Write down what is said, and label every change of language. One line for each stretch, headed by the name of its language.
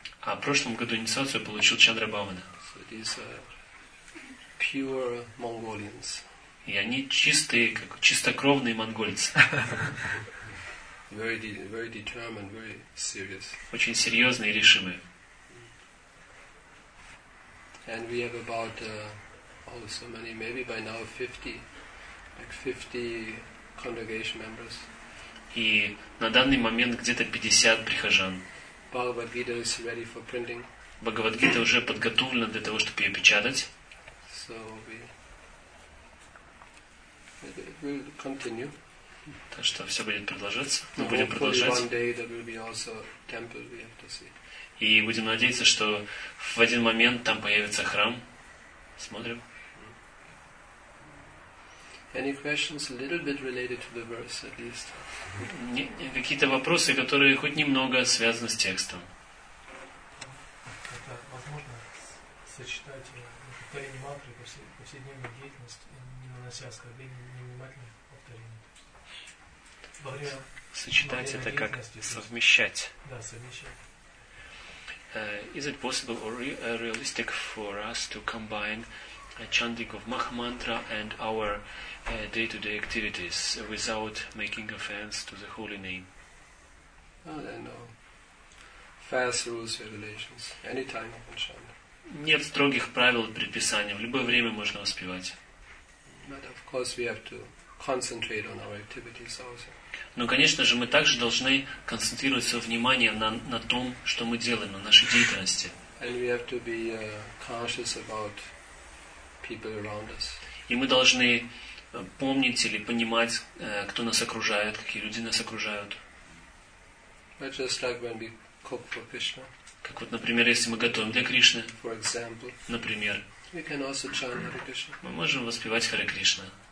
Russian: А в прошлом году инициацию получил Чандра Бхавана.
English: So these are pure Mongolians.
Russian: И они чистые, как чистокровные монгольцы.
English: Very, very determined, very serious.
Russian: Очень серьезные и решимые.
English: And we have about also many, maybe by now 50, like 50 congregation members.
Russian: И на данный момент где-то 50 прихожан.
English: Bhagavad Gita is ready for printing.
Russian: Bhagavad Gita уже подготовлена для того, чтобы ее печатать.
English: So it will continue.
Russian: Так что все будет продолжаться. Мы будем продолжать.
English: One day there will be also temple, we have to see.
Russian: И будем надеяться, что в один момент там появится храм. Смотрим.
English: Any questions a little bit related to the verse at least?
Russian: Какие-то вопросы, которые хоть немного связаны с текстом. Это возможно сочетать повторение мантры в повседневной деятельности, не нанося оскорбления, невнимательное повторение. Сочетать это как совмещать. Да, совмещать.
English: Is it possible or realistic for us to combine a chanting of Maha Mantra and our day-to-day activities without making offense to the holy name? Oh, then no. Fast rules, regulations. Anytime you can chant.
Russian: Нет строгих правил предписания. В любое время можно успевать.
English: But of course we have to concentrate on our activities also.
Russian: Но, конечно же, мы также должны концентрировать свое внимание на том, что мы делаем, на нашей деятельности.
English: And we have to be conscious about people around us.
Russian: И мы должны помнить или понимать, кто нас окружает, какие люди нас окружают.
English: Just like when we cook for Krishna.
Russian: Как вот, например, если мы готовим для Кришны.
English: For example,
Russian: например.
English: We can also chant Hare Krishna.
Russian: Мы можем воспевать Харе Кришна.